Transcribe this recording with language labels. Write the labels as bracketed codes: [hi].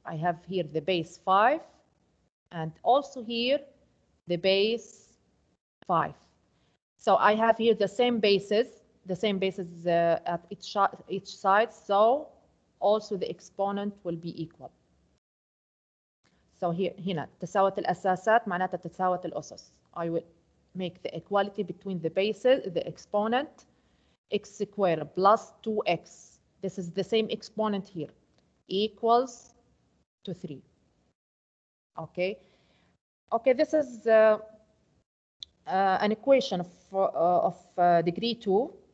[en] I have here the base 5. And also here, the base 5. So I have here the same bases, at each side. So also the exponent will be equal. So here, [ar] تساوت الأساسات معناتها تساوت الأسس. [en] I will make the equality between the bases, the exponent, x squared plus 2x. This is the same exponent here, equals to 3. Okay. Okay, this is an equation of degree 2.